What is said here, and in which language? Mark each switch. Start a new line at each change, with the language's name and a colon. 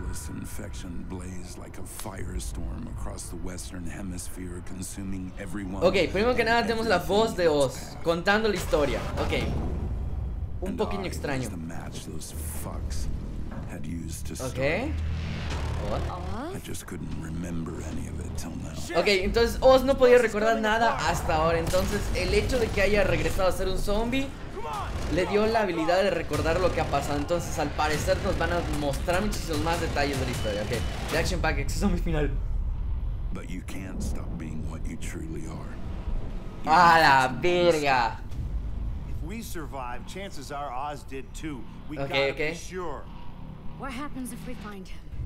English: Infection blazed like a firestorm across the western hemisphere, consuming everyone.
Spanish: Okay, primero que nada tenemos la voz de Oz contando la historia. Okay. Un poquito extraño.
English: The match those fucks had used to start. Okay. What? I just couldn't remember any of it till now.
Spanish: Okay, entonces Oz no podía recordar nada hasta ahora. Entonces, el hecho de que haya regresado a ser un zombie le dio la habilidad de recordar lo que ha pasado. Entonces, al parecer, nos van a mostrar muchísimos más detalles de la historia.
English: Ok, The Action Pack, Exo Zombies final. But you can't stop being what you truly are.
Spanish: ¡A la verga!
English: If we survive, chances are Oz did too. We gotta be sure. What happens if we find him?